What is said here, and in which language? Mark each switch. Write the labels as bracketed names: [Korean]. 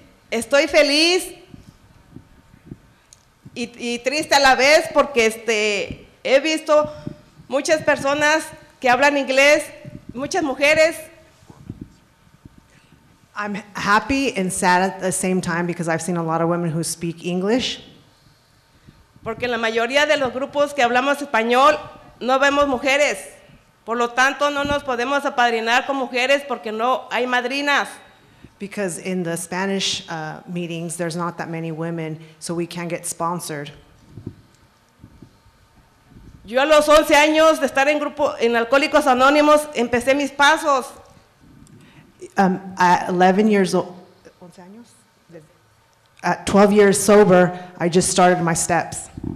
[Spanish] Estoy feliz y triste a la vez porque he visto muchas personas que hablan inglés, muchas mujeres. [English] I'm happy and sad at the same time because I've seen a lot of women who speak English. [Spanish] Porque en la mayoría de los grupos que hablamos español no vemos mujeres. Por lo tanto, no nos podemos apadrinar con mujeres porque no hay madrinas. [English] Because in the Spanish meetings, there's not that many women, so we can't get sponsored. [Spanish] Yo a los 11 años de estar en grupo en Alcohólicos Anónimos empecé mis pasos. [English] At 11 years old, at 12 years sober, I just started my steps.